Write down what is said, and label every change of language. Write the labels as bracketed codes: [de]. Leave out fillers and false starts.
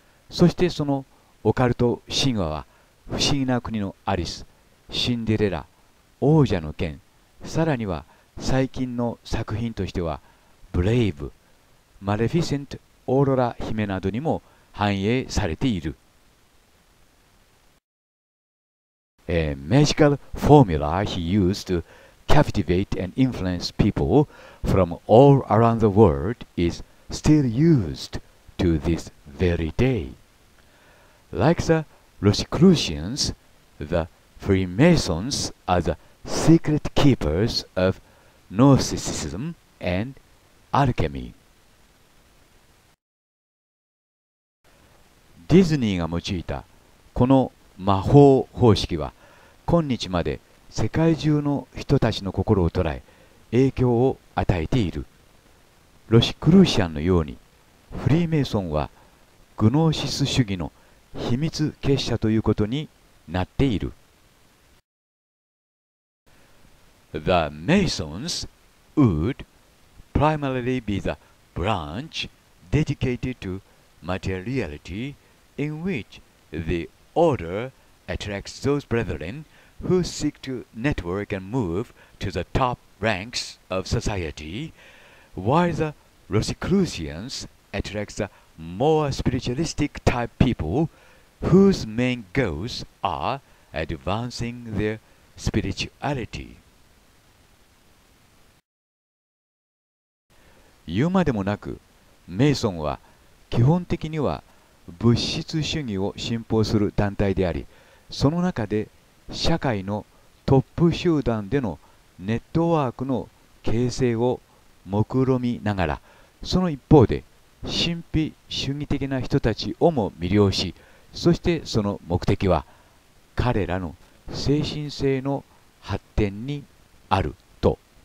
[ja] そしてそのオカルト神話は不思議な国のアリス、シンデレラ、王者の剣、さらには最近の作品としてはブレイブ、マレフィセント、オーロラ姫などにも反映されている。 [en] A magical formula he used to captivate and influence people from all around the world is still used to this very day. Like the Rosicrucians, the Freemasons are the secret keepers of Gnosticism and Alchemy. [ja] ディズニーが用いたこの魔法方式は今日まで世界中の人たちの心を捉え影響を与えている。ロシクルーシアンのようにフリーメイソンはグノーシス主義の秘密結社ということになっている。 [en] The Masons would primarily be the branch dedicated to materialityin which the order attracts those brethren who seek to network and move to the top ranks of society, while the Rosicrucians attract the more spiritualistic type people whose main goals are advancing their spirituality. [ja] 言うまでもなく、メイソンは基本的には物質主義を信奉する団体であり、その中で社会のトップ集団でのネットワークの形成を目論みながら、その一方で神秘主義的な人たちをも魅了し、そしてその目的は彼らの精神性の発展にあると。